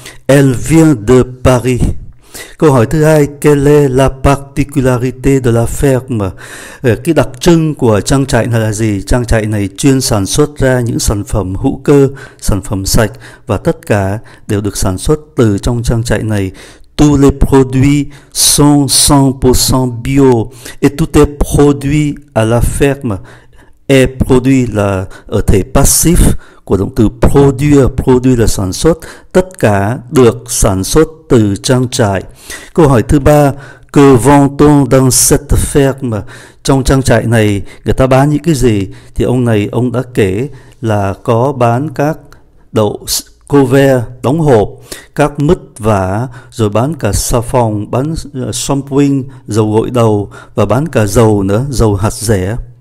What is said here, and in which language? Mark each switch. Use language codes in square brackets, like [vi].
[fr] Elle vient de Paris. [vi] Câu hỏi thứ hai, [fr] quelle est la particularité de la ferme? [vi] Cái đặc trưng của trang trại này là gì? Trang trại này chuyên sản xuất ra những sản phẩm hữu cơ, sản phẩm sạch và tất cả đều được sản xuất từ trong trang trại này. [fr] Tous les produits sont 100% bio et tout est produit à la ferme. [vi] Et produit là ở thể passif của động từ produire, produire là sản xuất, tất cả được sản xuất từ trang trại. Câu hỏi thứ ba, [fr] que vend-on dans cette ferme? [vi] Trong trang trại này người ta bán những cái gì? Thì ông này ông đã kể là có bán các đậu couvert đóng hộp, các mứt vả, rồi bán cả xà phòng, bán shampooing dầu gội đầu và bán cả dầu nữa, dầu hạt dẻ.